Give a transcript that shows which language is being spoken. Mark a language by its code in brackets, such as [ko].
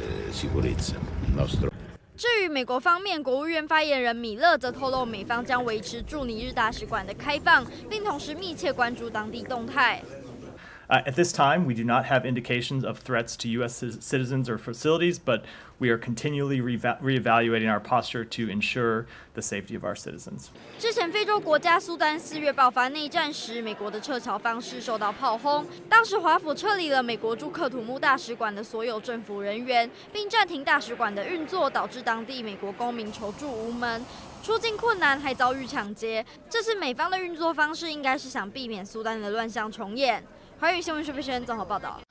[zh] 至于美国方面，国务院发言人米勒则透露，美方将维持驻尼日大使馆的开放，并同时密切关注当地动态。 [en] At this time, we do not have indications of threats to U.S. citizens or facilities, but we are continually reevaluating our posture to ensure the safety of our citizens. [zh] 之前非洲国家苏丹4月爆发内战时，美国的撤侨方式受到炮轰。当时华府撤离了美国驻克土穆大使馆的所有政府人员，并暂停大使馆的运作，导致当地美国公民求助无门。出境困难，还遭遇抢劫。这次美方的运作方式，应该是想避免苏丹的乱象重演。环宇新闻社评人综合报道。